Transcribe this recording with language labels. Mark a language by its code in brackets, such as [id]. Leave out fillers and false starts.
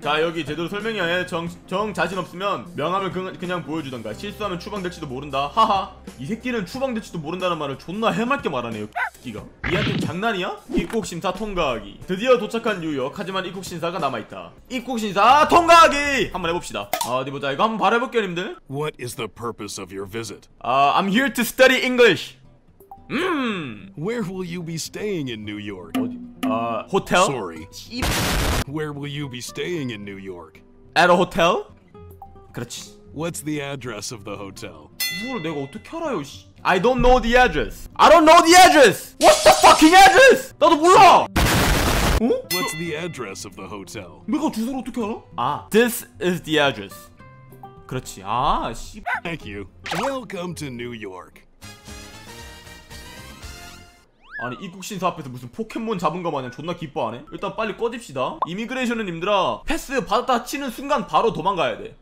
[ko] 자 여기 제대로 설명해. 정 자신 없으면 명함을 그냥 보여주던가. 실수하면 추방될지도 모른다. 하하. 이 새끼는 추방될지도 모른다는 말을 존나 해맑게 말하네요. 끼가. 이한테 장난이야? 입국 심사 통과하기. 드디어 도착한 뉴욕. 하지만 입국 심사가 남아 있다. 입국 심사 통과하기. 한번 해봅시다. 어디 보자. 이거 한번 바라볼게요, 님들. [en] What is the purpose of your visit? I'm here to study English. Where will you be staying in New York? [ko] 어디? 호텔? [en] Sorry. Where will you be staying in New York? At a hotel? [ko] 그렇지. [en] What's the address of the hotel? [ko] 뭘 내가 어떻게 알아요, 씨? [en] I don't know the address. I don't know the address. What's the fucking address? [ko] 나도 몰라. 어? [en] What's the address of the hotel? [ko] 내가 주소를 어떻게 알아? [en] 아, this is the address. [ko] 그렇지. 아, 씨. [en] Thank you. Welcome to New York. [ko] 아니 입국 신사 앞에서 무슨 포켓몬 잡은 거 마냥 존나 기뻐하네. 일단 빨리 꺼집시다. 이미그레이션은 님들아, 패스 받았다 치는 순간 바로 도망가야 돼.